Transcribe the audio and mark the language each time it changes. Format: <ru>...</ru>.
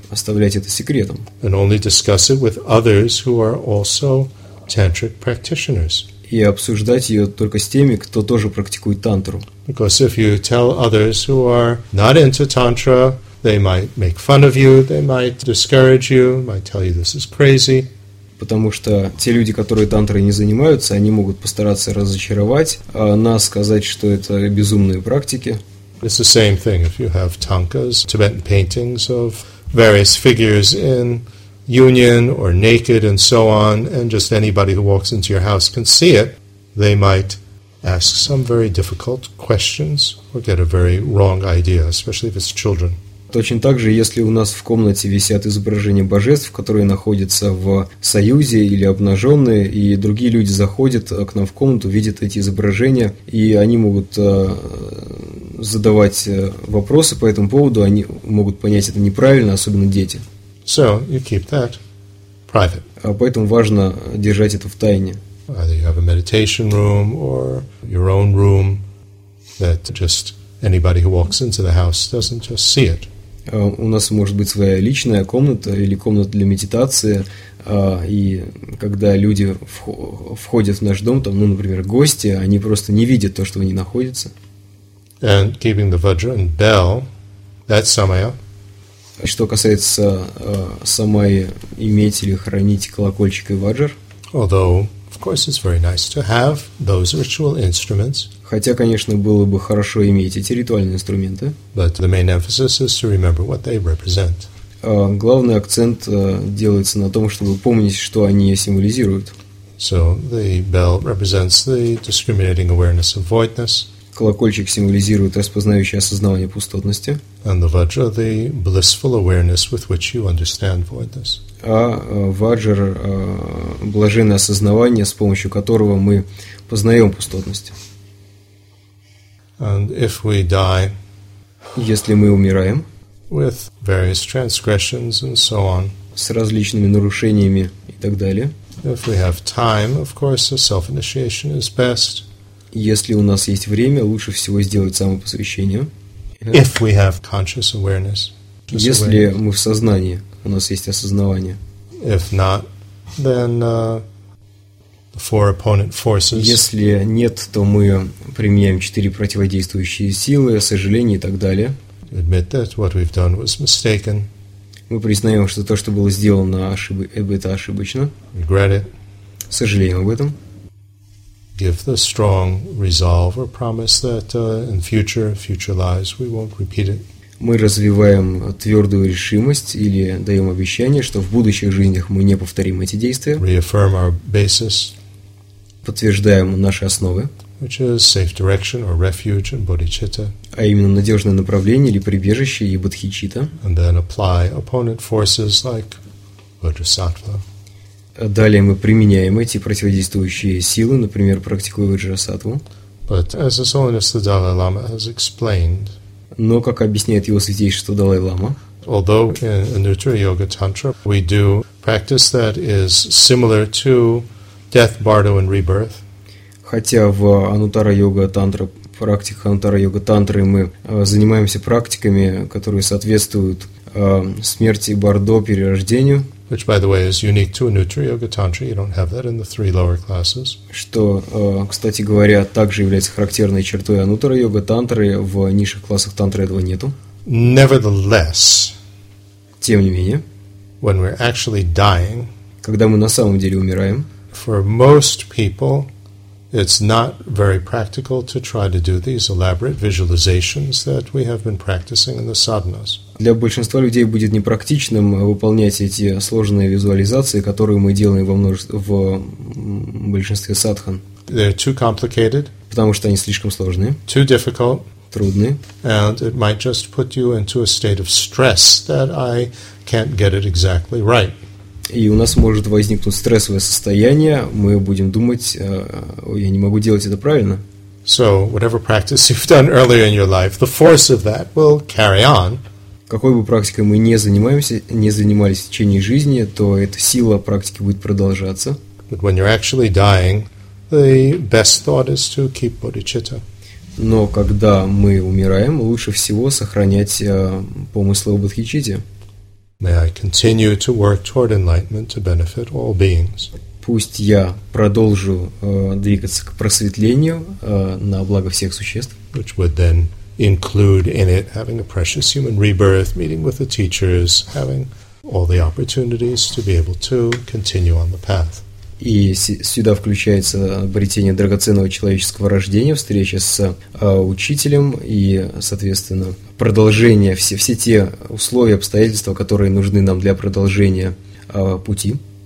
<ru>Оставлять это секретом.</ru> <en>And only discuss it with others who are also tantric practitioners.</en> <ru>И обсуждать ее только с теми, кто тоже практикует тантру.</ru> <en>Because if you tell others who are not into tantra, they might make fun of you, they might discourage you, might tell you this is crazy.</en> <ru>Потому что те люди, которые тантрой не занимаются, они могут постараться разочаровать нас, сказать, что это безумные практики.</ru> <en>It's the same thing if you have tankas, Tibetan paintings of various figures in union or naked and so on, and just anybody who walks into your house can see it, they might ask some very difficult questions or get a very wrong idea, especially if it's children.</en> <ru>Точно так же, если у нас в комнате висят изображения божеств, которые находятся в союзе или обнаженные, и другие люди заходят к нам в комнату, видят эти изображения, и они могут задавать вопросы по этому поводу, они могут понять это неправильно, особенно дети.</ru> <en>So you keep that private.</en> <ru>А поэтому важно держать это в тайне.</ru> <en>Either you have a meditation room or your own room that just anybody who walks into the house doesn't just see it.</en> <ru>У нас может быть своя личная комната или комната для медитации, и когда люди входят в наш дом, там, ну, например, гости, они просто не видят то, что они находятся.</ru> <en>And keeping the vajra and bell, that's samaya.</en> <ru>Что касается самаи, иметь или хранить колокольчик и ваджр.</ru> <en>Although, of course, it's very nice to have those ritual instruments.</en> <ru>Хотя, конечно, было бы хорошо иметь эти ритуальные инструменты.</ru> <en>But the main emphasis is to remember what they represent.</en> <ru>Главный акцент делается на том, чтобы помнить, что они символизируют.</ru> <en>So the bell represents the discriminating awareness of voidness.</en> <ru>Колокольчик символизирует распознающее осознавание пустотности.</ru> <en>And the vajra, the blissful awareness with which you understand voidness.</en> <ru>А ваджр блаженное осознавание, с помощью которого мы познаем пустотность.</ru> <en>And if we die,</en> <ru>если мы умираем,</ru> <en>with various transgressions and so on,</en> <ru>с различными нарушениями и так далее,</ru> <en>if we have time, of course, a self-initiation is best.</en> <ru>Если у нас есть время, лучше всего сделать самопосвящение.</ru> <en>If we have conscious awareness,</en> <ru>если мы в сознании, у нас есть осознавание.</ru> <en>If not, then the four opponent forces.</en> <ru>Если нет, то мы применяем четыре противодействующие силы, сожаление и так далее.</ru> <en>Admit that what we've done was mistaken.</en> <ru>Мы признаем, что то, что было сделано, это ошибочно.</ru> <en>Regret it.</en> <ru>Сожалеем об этом.</ru> <en>Give the strong resolve or promise that in future lives we won't repeat it.</en> <ru>Мы развиваем твердую решимость или даем обещание, что в будущих жизнях мы не повторим эти действия.</ru> <en>Reaffirm our basis,</en> <ru>подтверждаем наши основы,</ru> <en>which is safe direction or refuge in bodhicitta,</en> <ru>а именно надежное направление или прибежище и бодхичитта.</ru> <en>And then apply opponent forces like Vajrasattva.</en> <ru>Далее мы применяем эти противодействующие силы, например, практикуя Vajrasattva.</ru> <en>But as the Holiness the Dalai Lama has explained,</en> <ru>но как объясняет его святейшество Далай Лама,</ru> <en>although in Anuttara Yoga Tantra we do practice that is similar to death, bardo, and rebirth.</en> <ru>Хотя в Анутара Йога Тантра, практика Анутара Йога Тантры, мы занимаемся практиками, которые соответствуют смерти, бардо, перерождению.</ru> <en>Which, by the way, is unique to Anuttara Yoga Tantra. You don't have that in the three lower classes.</en> <ru>Что, кстати говоря, также является характерной чертой Анутара Йога Тантры. В низших классах тантры этого нету.</ru> <en>Nevertheless,</en> <ru>тем не менее,</ru> <en>when we're actually dying,</en> <ru>когда мы на самом деле умираем,</ru> <en>for most people, it's not very practical to try to do these elaborate visualizations that we have been practicing in the sadhanas.</en> <ru>Для большинства людей будет непрактичным выполнять эти сложные визуализации, которые мы делаем в большинстве садхан.</ru> <en>They're too complicated.</en> <ru>Потому что они слишком сложные.</ru> <en>Too difficult.</en> <ru>Трудные.</ru> <en>And it might just put you into a state of stress that I can't get it exactly right.</en> <ru>И у нас может возникнуть стрессовое состояние, мы будем думать, я не могу делать это правильно.</ru> <en>So, whatever practice you've done earlier in your life, the force of that will carry on.</en> <ru>Какой бы практикой мы не занимались в течение жизни, то эта сила практики будет продолжаться.</ru> <en>But when you're actually dying, the best thought is to keep bodhicitta.</en> <ru>Но когда мы умираем, лучше всего сохранять помыслы о бодхичитте.</ru> <en>May I continue to work toward enlightenment to benefit all beings.</en> <ru>Пусть я продолжу двигаться к просветлению на благо всех существ.</ru> <en>Which would then include in it having a precious human rebirth, meeting with the teachers, having all the opportunities to be able to continue on the path.</en> <ru>И сюда включается обретение драгоценного человеческого рождения, встреча с учителем и, соответственно, продолжение, все те условия, обстоятельства, которые нужны нам для продолжения пути.</ru>